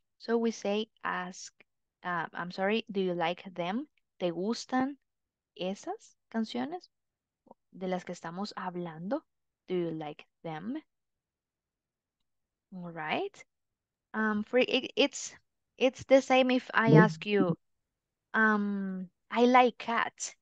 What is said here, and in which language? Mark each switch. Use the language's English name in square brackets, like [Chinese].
[English] So we say, I'm sorry, do you like them? [Spanish] ¿Te gustan esas canciones de las que estamos hablando? [English] Do you like them? All right. It's the same if I ask you, I like cats.